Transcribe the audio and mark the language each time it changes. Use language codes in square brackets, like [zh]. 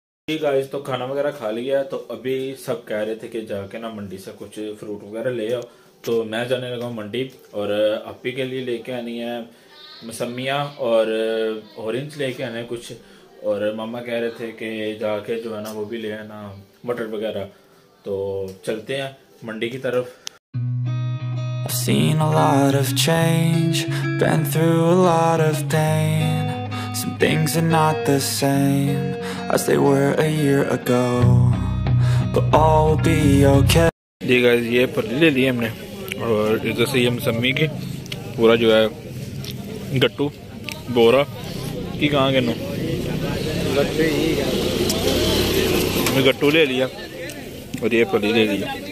[hi] जी guys तो खाना वगैरह खा लिया, तो अभी सब कह रहे थे कि जाके ना मंडी से कुछ फ्रूट वगैरह ले आओ, तो मैं जाने लगा मंडी और अप्पी के लिए लेके आनी है मौसमियाँ और ऑरेंज लेके आने कुछ, और मामा कह रहे थे कि जाके जो है ना वो भी ले आना मटर वगैरह, तो चलते हैं मंडी की तरफ। [en] Seen a lot of change, been through a lot of pain. Some things are not the same as they were a year ago, but all will be okay. [hi] Ji guys ये पल्ली ले ली हमने और इधर से हम सम्मी के पूरा जो है गट्टू बोरा की कहाँ के नो गट्टू ले लिया और ये पल्ली ले लिया।